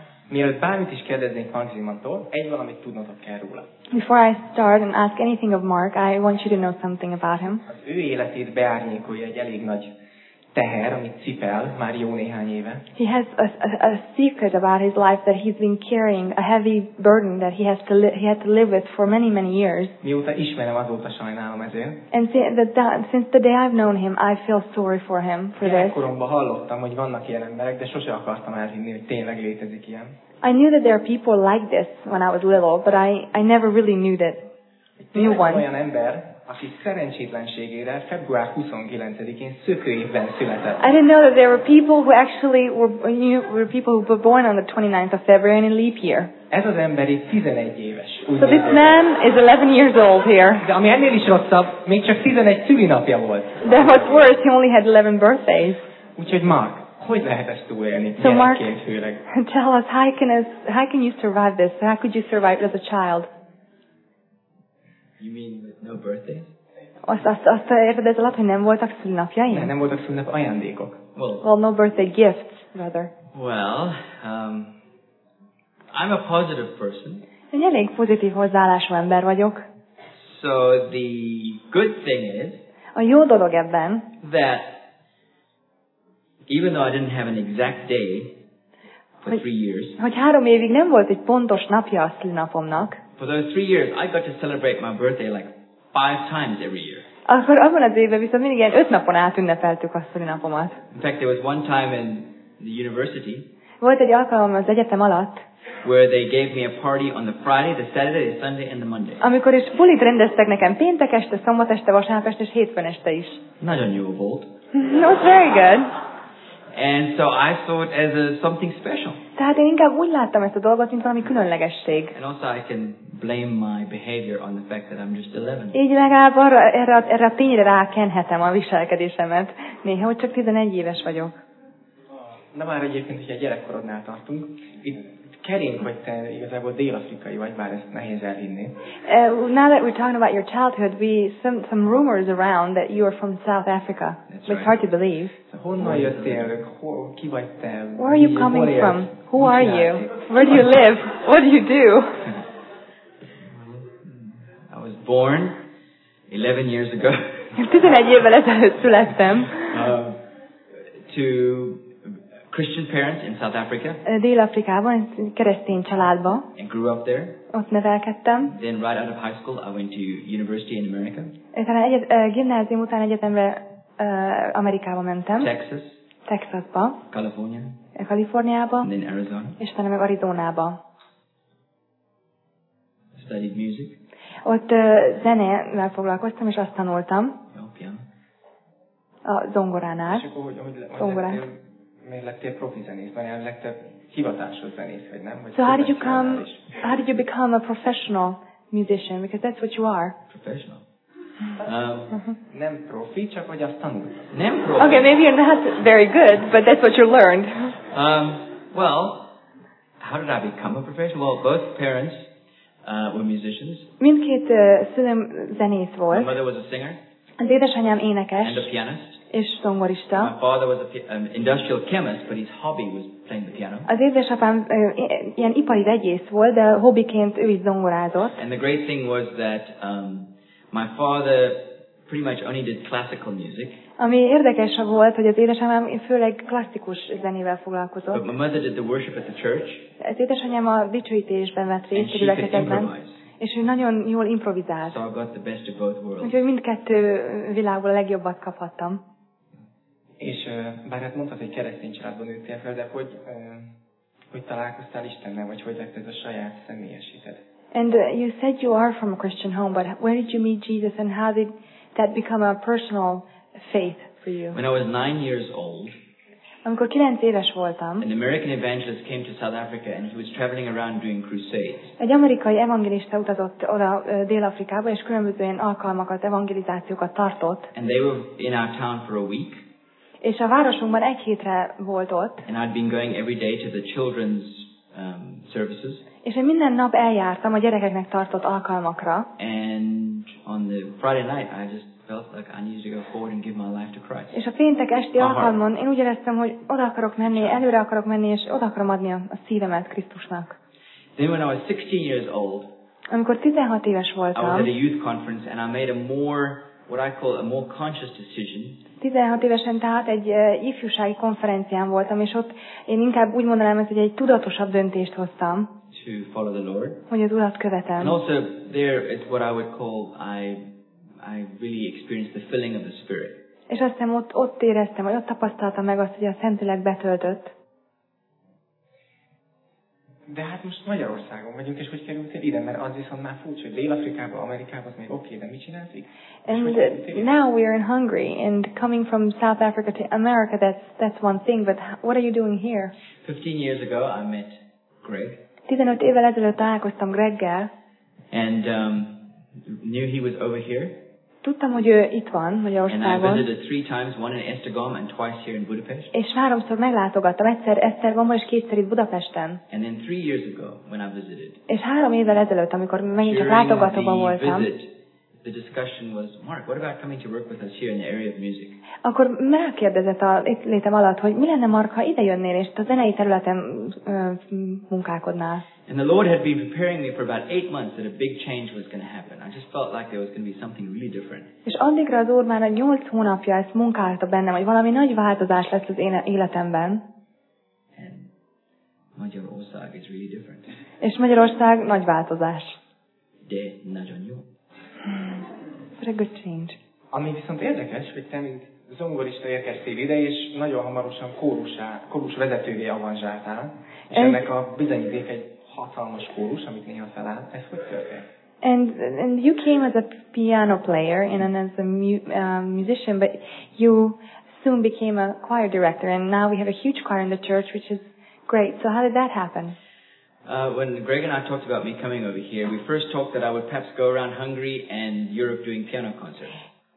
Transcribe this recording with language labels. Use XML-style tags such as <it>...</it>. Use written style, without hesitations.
<hu>Mielőtt bármit is kérdeznék Maximantól, egy valamit tudnotok kell róla.</hu> <en>Before I start and ask anything of Mark, I want you to know something about him.</en> <hu>Az ő életét beárnyékolja egy elég nagy teher, amit cipel már jó néhány éve.</hu> <en>He has a secret about his life that he's been carrying, a heavy burden that he has to live with for many, many years.</en> <hu>Mióta ismerem, azóta sajnálom ezért.</hu> <en>And since the day I've known him, I feel sorry for him for this.</en> <hu>Gyerekkoromban hallottam, hogy vannak ilyen emberek, de sose akartam elhinni, hogy tényleg létezik ilyen.</hu> <en>I knew that there are people like this when I was little, but I never really knew that. Knew one.</en> <hu>Olyan ember, aki szerencsétlenségére február 29-én szökőévben született.</hu> <en>I didn't know that there were people who actually were people who were born on the 29th of February in leap year.</en> <hu>Ez az ember 11 éves.</hu> <en>So this man is 11 years old here.</en> <hu>De ami ennél is rosszabb, még csak 11 szülinapja volt.</hu> <en>That was worse, he only had 11 birthdays.</en> <hu>Úgyhogy Mark, hogy lehet ezt túlélni gyerekként főleg?</hu> <en>So Mark, tell us, how can you survive this? How could you survive as a child? You mean with no birthdays?</en> <hu>Azt érted ez alatt, hogy nem voltak szülinapjaim? Nem voltak szülinap ajándékok.</hu> <en>Well, no birthday gifts, rather. Well, I'm a positive person.</en> <hu>Én elég pozitív hozzáállású ember vagyok.</hu> <en>So the good thing is,</en> <hu>a jó dolog ebben,</hu> <en>that even though I didn't have an exact day for 3 years,</en> <hu>hogy három évig nem volt egy pontos napja a szülinapomnak,</hu> <en>for those 3 years, I got to celebrate my birthday like 5 times every year.</en> <hu>Akkor abban az évben viszont mindig ilyen 5 napon át ünnepeltük a szülinapomat.</hu> <en>In fact, there was one time in the university.</en> <hu>Volt egy alkalom az egyetem alatt.</hu> <en>Where they gave me a party on the Friday, the Saturday, the Sunday, and the Monday.</en> <hu>Amikor is bulit rendeztek nekem péntek este, szombat este, vasárnap este és hétfőn este is. Nagyon jó volt.</hu> <en>It was very good. And so I saw it as something special.</en> <hu>Tehát én inkább úgy láttam ezt a dolgot, mint valami különlegesség.</hu> <en>And also I can blame my behavior on the fact that I'm just 11.</en> <hu>Így legalább erre a tényre rákenhetem a viselkedésemet. Néha, hogy csak 11 éves vagyok. Na már egyébként, hogyha gyerekkorodnál tartunk, itt kerénk, hogy te igazából dél-afrikai vagy, bár ezt nehéz elhinni.</hu> <en>Now that we're talking about your childhood, we some rumors around that you are from South Africa. That's right. It's hard to believe.</en> <hu>Honnan jöttél? Ki vagy te?</hu> <en>Where are you coming from? Who are you? Where do you live? What do you do? I was born 11 years ago.</en> <hu>11 évvel ezelőtt születtem.</hu> <en>To Christian parents in South Africa.</en> <hu>Dél-Afrikában, keresztény családba.</hu> <en>And grew up there.</en> <hu>Ott nevelkedtem.</hu> <en>Then right out of high school, I went to university in America.</en> <hu>Utána gimnázium után egyetemre Amerikába mentem. Texasba. California. Kaliforniába.</hu> <en>Then Arizona.</en> <hu>És utána meg Arizonába.</hu> <en>Studied music.</en> <hu>Ott zenével foglalkoztam és azt tanultam.</hu> <en>Piano.</en> <hu>A zongoránál. Zongorán. Miért lettél profi zenész? Mert a legtöbb hivatásos zenész vagy, nem?</hu> <en>So how did you become a professional musician? Because that's what you are. Professional.</en> <hu>Nem profi, csak hogy azt tanult. Nem profi.</hu> <en>Okay, maybe you're not very good, but that's what you learned. Well, how did I become a professional? Well, both parents were musicians.</en> <hu>Mindkét szülőm zenész volt.</hu> <en>My mother was a singer.</en> <hu>Az édesanyám énekes.</hu> <en>And a pianist.</en> <hu>És zongorista.</hu> <en>My father was an industrial chemist, but his hobby was playing the piano.</en> <hu>Az édesapám ilyen ipari vegyész volt, de hobbiként ő is zongorázott.</hu> <en>And the great thing was that my father pretty much only did classical music.</en> <hu>Ami érdekes volt, hogy az édesanyám főleg klasszikus zenével foglalkozott.</hu> <en>But my mother did the worship at the church.</en> <hu>Az édesanyám a dicsőítésben vett részt, a gyülekezetben. És ő nagyon jól improvizált.</hu> <en>So I got the best of both worlds.</en> <hu>Úgyhogy mindkettő világból a legjobbat kaphattam. És bár hát mondtad, hogy keresztény családban nőttél fel, de hogy találkoztál Istennel, vagy hogy lett ez a saját személyesíted?</hu> <en>And you said you are from a Christian home, but where did you meet Jesus and how did that become a personal faith for you? When I was 9 years old,</en> <hu>amikor 9 éves voltam,</hu> <en>an American evangelist came to South Africa and he was traveling around doing crusades.</en> <hu>Egy amerikai evangelista utazott oda Dél-Afrikába és különböző ilyen alkalmakat, evangelizációkat tartott.</hu> <en>And they were in our town for a week.</en> <hu>És a városunkban egy hétre volt ott.</hu> <en>And I'd been going every day to the children's services.</en> <hu>És én minden nap eljártam a gyerekeknek tartott alkalmakra.</hu> <en>And on the Friday night I just felt like I needed to go forward and give my life to Christ.</en> <hu>És a péntek esti alkalmon én úgy éreztem, hogy oda akarok menni, előre akarok menni, és oda akarom adni a szívemet Krisztusnak.</hu> <en>Then when I was 16 years old,</en> <hu>amikor 16 éves voltam,</hu> <en>I was at a youth conference and I made a more, what I call a more conscious decision.</en> <hu>16 évesen tehát egy ifjúsági konferencián voltam, és ott én inkább úgy mondanám, hogy egy tudatosabb döntést hoztam,</hu> <en>to follow the Lord,</en> <hu>hogy az Urat követem.</hu> <en>And also there is what I would call I really experienced the filling of the Spirit.</en> <hu>És aztán ott éreztem, vagy ott tapasztaltam meg azt, hogy a Szentlélek betöltött. De hát most Magyarországon vagyunk, és hogy kerültél ide? Mert az viszont már furcsa, hogy Dél-Afrikába, Amerikába, az még oké, de mit csinálsz itt?</hu> <en>And now we are in Hungary, and coming from South Africa to America, that's one thing, but what are you doing here? 15 years ago I met Greg.</en> <hu>15 évvel ezelőtt találkoztam Greggel.</hu> <en>And knew he was over here.</en> <hu>Tudtam, hogy ő itt van Magyarországon.</hu> <en>And I visited three times, one in Esztergom and twice here in Budapest.</en> <hu>És háromszor meglátogattam, egyszer Esztergomba és kétszer itt Budapesten.</hu> <en>And then 3 years ago, when I visited.</en> <hu>És 3 évvel ezelőtt, amikor megint csak látogatóban voltam.</hu> <en>The discussion was, Mark, what about coming to work with us here in the area of music?</en> <hu>Akkor megkérdezett a itt létem alatt, hogy mi lenne, Mark, ha ide jönnél és a zenei területen munkálkodnál?</hu> <en>And the Lord had been preparing me for about 8 months that a big change was going to happen. I just felt like there was going to be something really different.</en> <hu>És addigra az Úr már a 8 hónapja ezt munkálta bennem, hogy valami nagy változás lesz az én életemben.</hu> <en>And Magyarország is really different.</en> <hu>És Magyarország nagy változás. De nagyon jó.</hu> <en>What a good change.</en> <hu>Ami viszont érdekes, hogy te mint zongorista érkeztél ide, és nagyon hamarosan kórus vezetővé avanzsáltál, és ennek a bizonyíték egy hatalmas kórus, amit néha feláll. Ez hogy történt?</hu> <en>And you came as a piano player and as a musician, but you soon became a choir director, and now we have a huge choir in the church, which is great. So how did that happen? When Greg and I talked about me coming over here, we first talked that I would perhaps go around Hungary and Europe doing piano concerts.</en>